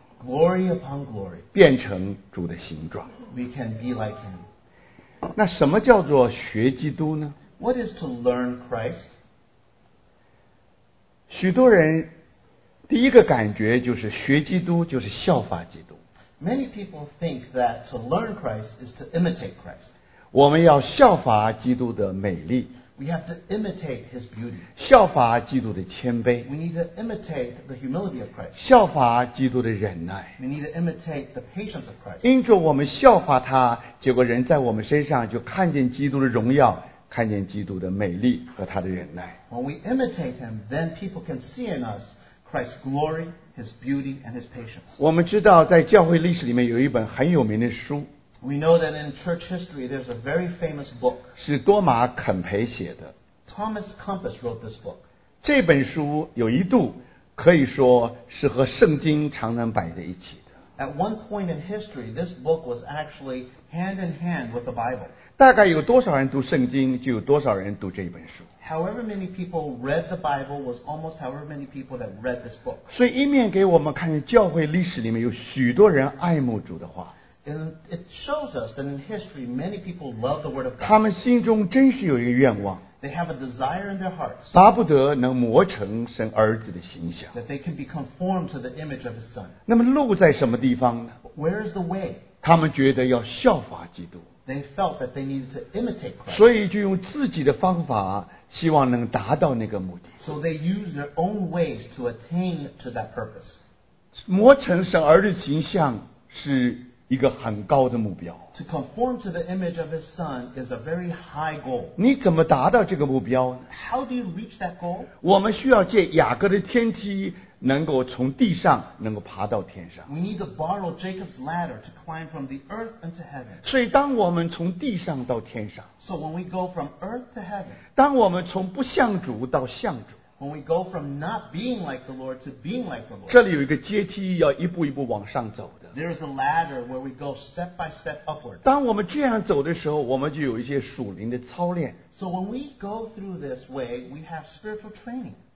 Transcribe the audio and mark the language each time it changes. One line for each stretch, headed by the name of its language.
English: glory upon glory,
Chinese: 变成主的形状。
English: We can be like him.
Chinese: 那什么叫做学基督呢？
English: What is to learn Christ?
Chinese: 许多人第一个感觉就是学基督就是效法基督。
English: Many people think that to learn Christ is to imitate Christ.
Chinese: 我们要效法基督的美丽。
English: We have to imitate His beauty.
Chinese: 效法基督的谦卑。
English: We need to imitate the humility of Christ.
Chinese: 效法基督的忍耐。
English: We need to imitate the patience of Christ.
Chinese: 因着我们效法他，结果人在我们身上就看见基督的荣耀。看见基督的美丽和他的忍耐。
English: When we imitate him, then people can see in us Christ's glory, his beauty, and his patience.
Chinese: 我们知道在教会历史里面有一本很有名的书。
English: We know that in church history there's a very famous book.
Chinese: 是多马·肯培写的。
English: Thomas Kempis wrote this book.
Chinese: 这本书有一度可以说是和圣经常常摆在一起的。
English: At one point in history, this book was actually hand in hand with the Bible.
Chinese: 大概有多少人读圣经，就有多少人读这本书。
English: However many people read the Bible was almost however many people that read this book.
Chinese: 所以一面给我们看见教会历史里面有许多人爱慕主的话。
English: And it shows us that in history many people love the word of God.
Chinese: 他们心中真是有一个愿望。
English: They have a desire in their hearts.
Chinese: 巴不得能磨成神儿子的形象。
English: That they can be conformed to the image of His Son.
Chinese: 那么路在什么地方呢？
English: Where is the way?
Chinese: 他们觉得要效法基督。
English: they felt that they needed to imitate Christ.
Chinese: 所以就用自己的方法希望能达到那个目的。
English: So they used their own ways to attain to that purpose.
Chinese: 磨成神儿子形象是一个很高的目标。
English: To conform to the image of his son is a very high goal.
Chinese: 你怎么达到这个目标呢?
English: How do you reach that goal?
Chinese: 我们需要借雅各的天梯 能够从地上能够爬到天上。
English: We need to borrow Jacob's ladder to climb from the earth unto heaven.
Chinese: 所以当我们从地上到天上,
English: So when we go from earth to heaven,
Chinese: 当我们从不像主到像主,
English: When we go from not being like the Lord to being like the Lord,
Chinese: 这里有一个阶梯要一步一步往上走的。
English: There is a ladder where we go step by step upward.
Chinese: 当我们这样走的时候, 我们就有一些属灵的操练。
English: So when we go through this way, we have spiritual training.